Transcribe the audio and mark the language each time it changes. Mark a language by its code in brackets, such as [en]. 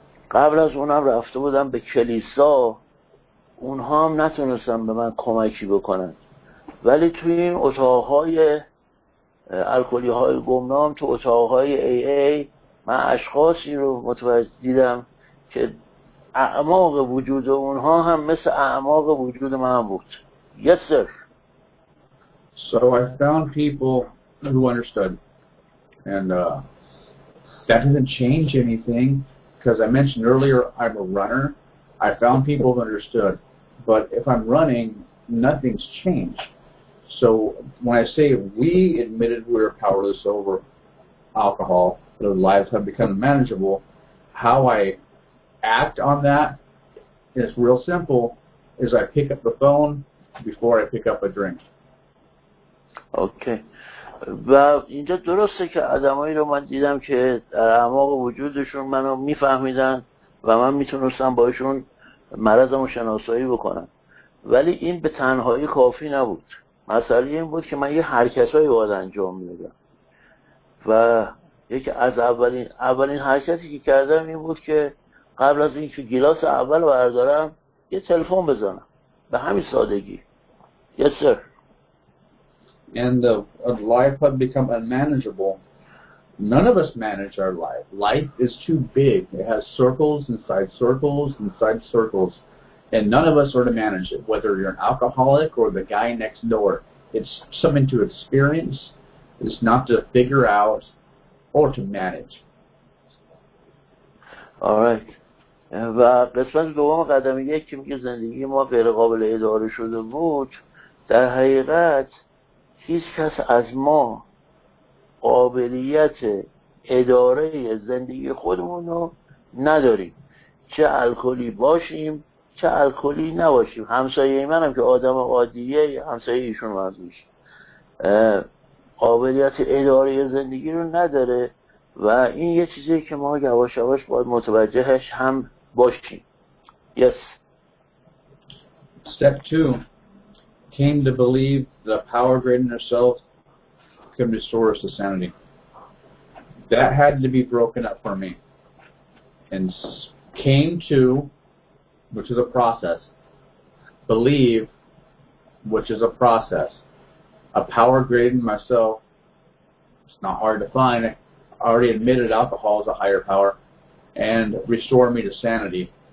[fa] قبل از اونم رفته بودم به کلیسا، اونها هم نتونستم به من کمکی بکنن، ولی توی این اتاقهای الکلی های گمنام، تو اتاقهای AA، من اشخاصی رو متوجه دیدم که اعماق وجود اونها هم مثل اعماق وجود من بود. [en] Yes, sir. So I found people who understood, and that didn't change anything, because I mentioned earlier I'm a runner. I found people who understood, but if I'm running, nothing's changed. So when I say we admitted we were powerless over alcohol, their lives have become manageable, how I act on that is real simple, is I pick up the phone before I pick up a drink. Okay. [fa] و اینجا درسته که آدمایی رو من دیدم که در اعماق وجودشون منو میفهمیدن و من میتونستم باشون مرضمو شناسایی بکنم، ولی این به تنهایی کافی نبود. مسئله این بود که من یه حرکتایی باید انجام میدادم و یک از اولین حرکتی که کردم این بود که قبل از اینکه گلاس اول رو بردارم یه تلفن بزنم، به همین سادگی. [en] Yes, sir. And the life had become unmanageable. None of us manage our life. Life is too big. It has circles inside circles inside circles. And none of us are to manage it, whether you're an alcoholic or the guy next door. It's something to experience. It's not to figure out or to manage. All right. [fa] و قسمت دوم قدم یک که میگه زندگی ما غیر قابل اداره شده بود، در حقیقت هیچ کس از ما قابلیت اداره زندگی خودمون رو نداریم، چه الکلی باشیم چه الکلی نباشیم. همسایه من هم که آدم عادیه، همسایه ایشون مرزوش قابلیت اداره زندگی رو نداره و این یه چیزی که ما یواش یواش باید متوجهش هم باشیم. [en] Yes. Step 2 came to believe the power greater than ourselves could restore us to sanity. That had to be broken up for me. And came to, which is a process, believe, which is a process, a power greater than myself, it's not hard to find, I already admitted alcohol is a higher power, and restore me to sanity.